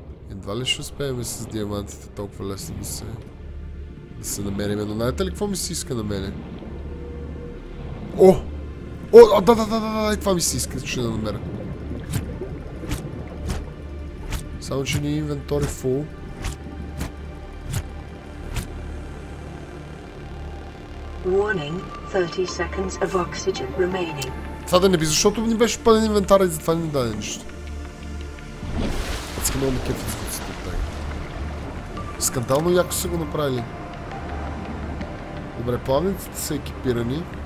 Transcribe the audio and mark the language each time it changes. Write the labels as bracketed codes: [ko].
[bg] Едва ли ще успеем с диамантите толкова лесно да се... да се намерим. Но знаете ли какво ми се иска на мене? О! О, о, да, да, да, да, да, да, това ми се иска, ще да намеря. Само че ни е инвентори фул. [en] Warning, 30 seconds of oxygen remaining. [bg] Това да не би, защото ни беше пълен инвентар и затова не даде нищо. Искам много кефи за куците от тега. Скандално яко са го направили. Добре, плавниците са екипирани.